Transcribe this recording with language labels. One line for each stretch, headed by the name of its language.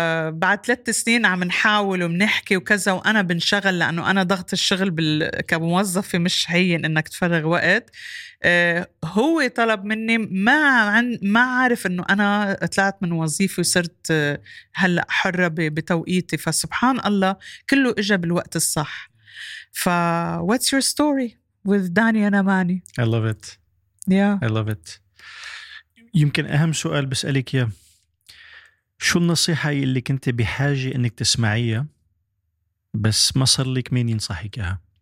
Arabic: بعد 3 سنين عم نحاول ومنحكي وكذا، وأنا بنشغل لأنه أنا ضغط الشغل كموظفة مش هين إنك تفرغ وقت. هو طلب مني، ما عارف إنه أنا طلعت من وظيفي وصرت هلأ حرة بتوقيتي. فسبحان الله كله إجا بالوقت الصح.
English: ف what's your story with داني أناماني؟ I love it. Yeah. I love it.
Arabic: يمكن أهم سؤال بسألك يا، شو النصيحة اللي كنت بحاجة إنك تسمعيها بس ما صار لك مين ينصحك إياها؟